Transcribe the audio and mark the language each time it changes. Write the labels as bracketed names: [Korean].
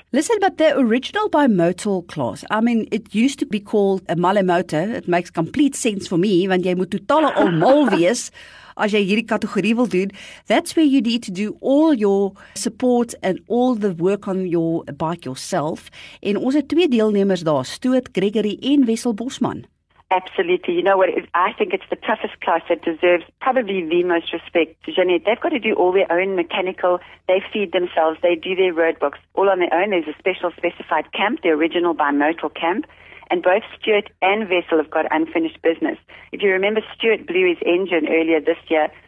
[English] Listen, but the original bimotor class, I mean, it used to be called a Malemoto. It makes complete sense for me, [Afrikaans] want jy moet totale almal wees as jy hierdie kategorie wil doen, [English] that's where you need to do all your support and all the work on your bike yourself. [Afrikaans] En ons het twee deelnemers daar, Stoot Gregory en Wessel Bosman. [English] Absolutely. You know what? I think it's the toughest class that deserves probably the most respect. Jeanette, they've got to do all their own mechanical. They feed themselves. They do their roadbooks all on their own. There's a special specified camp, the original bimodal camp. And both Stuart and Vessel have got unfinished business. If you remember, Stuart blew his engine earlier this year.